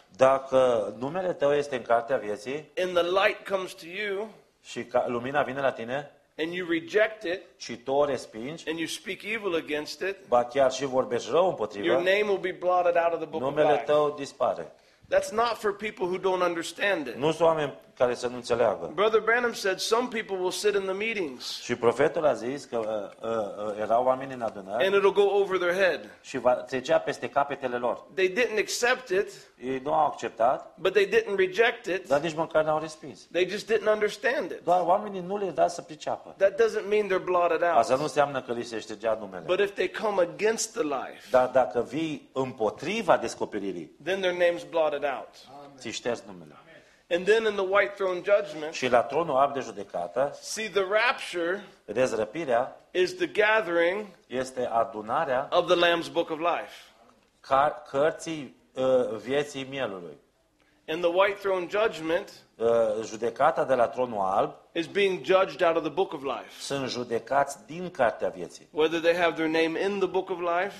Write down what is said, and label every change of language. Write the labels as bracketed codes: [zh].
[ro] dacă numele tău este în Cartea Vieții, [en] and the light comes to you, [ro] și lumina vine la tine, [en] and you reject it, [ro] și tu o respingi, [en] and you speak evil against it, [ro] ba chiar și vorbești rău împotriva, [en] your name will be blotted out of the book of life. [ro] Numele tău dispare. [en] That's not for people who don't understand it. [ro] Nu sunt oameni care să nu înțeleagă. [en] Brother Branham said some people will sit in the meetings. [ro] Și profetul a zis că erau oameni în adunare. [en] And it'll go over their head. [ro] Și va trecea peste capetele lor. [en] They didn't accept it. [ro] Ei nu au acceptat. [en] But they didn't reject it. [ro] Dar nici măcar n-au respins. [en] They just didn't understand it. [ro] Doar oamenii nu le da să priceapă. [en] That doesn't mean they're blotted out. [ro] Asta nu înseamnă că li se ștergea numele. [en] But if they come against the life. [ro] Dar dacă vii împotriva descoperirii. [en] Then their name's blotted out. [ro] Ți șterg numele. [en] And then in the white throne judgment, [ro] și la tronul alb de judecată, [en] see the rapture, [ro] răzrăpirea, [en] is the gathering, [ro] este adunarea, [en] of the Lamb's Book of Life, [ro] cărții vieții mielului. [en] In the white throne judgment, [ro] judecata de la tronul alb, [en] is being judged out of the Book of Life, [ro] sunt judecați din cartea vieții, [en] whether they have their name in the Book of Life,